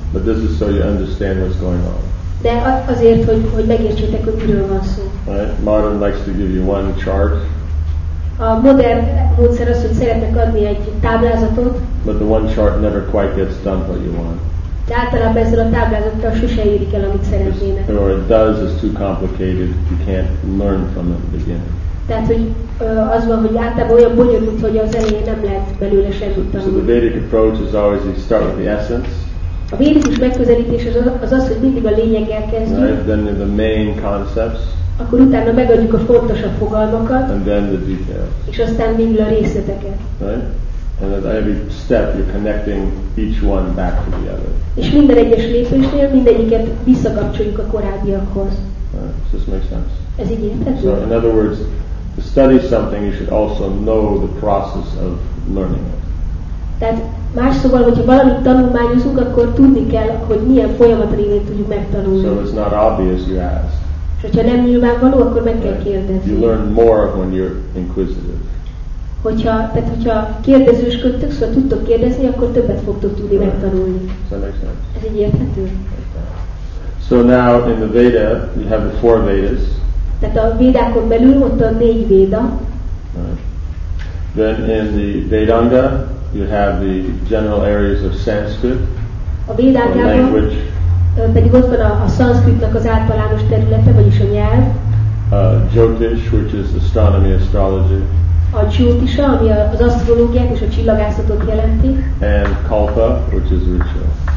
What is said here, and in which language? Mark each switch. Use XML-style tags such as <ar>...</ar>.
<en>But this is so you understand what's going on.</en> <hu>De azért, hogy megértsétek, hogy miről van szó.</hu> <en>Right? Modern likes to give you one chart.</en> <hu>A modern módszer az, hogy szeretnek adni egy táblázatot.</hu> <en>But the one chart never quite gets done what you want.</en> <hu>De általában ezzel a táblázattal sose érik el, amit szeretnének.</hu> <en>Or it does, it's too complicated, you can't learn from it again.</en> <hu>Tehát, hogy az van, hogy általában olyan bonyolult, hogy az elején nem lehet belőle semmit tanulni.</hu> <en>So the Vedic approach is always you start with the essence.</en> <hu>A védikus megközelítés az, hogy mindig a lényeggel kezdjük.</hu> <en>Right, then the main concepts.</en> <hu>Akkor utána megadjuk a fontosabb fogalmakat.</hu> <en>And then the details.</en> <hu>És aztán mindig a részleteket.</hu> <en>Right? And at every step you're connecting each one back to the other.</en> <hu>És minden egyes lépésnél mindegyiket visszakapcsoljuk a korábbiakhoz.</hu> <en>Does this make sense?</en> <hu>Ez így érthető?</hu> <en>So in other words, to study something you should also know the process of learning it.</en> <hu>Tehát más szóval, hogyha valamit tanulmányozunk, akkor tudni kell, hogy milyen folyamat révén tudjuk megtanulni.</hu> <en>So it's not obvious you ask.</en> <hu>És hogyha nem nyilvánvaló, akkor meg kell kérdezni.</hu> <en>You learn more when you're inquisitive.</en> <hu>Hogyha kérdezősködtök, szóval tudtok kérdezni, akkor többet fogtok tudni</hu> <en>right.</en> <hu>Megtanulni. Ez így érthető.</hu> <en>So now in the Veda, we have the four Vedas.</en> <hu>Tehát a Védákon belül ott a négy Véda.</hu> <en>Right. Then in the Vedanga, you have the general areas of Sanskrit.</en> <hu>A Vedangában pedig ott van a Sanskritnak az általános területe, vagyis a nyelv.</hu> <en>Jyotish, which is astronomy, astrology.</en> <hu>A Jyotisha, ami az asztrológiát és a csillagászatot jelenti.</hu> <en>And Kalpa, which is ritual.</en>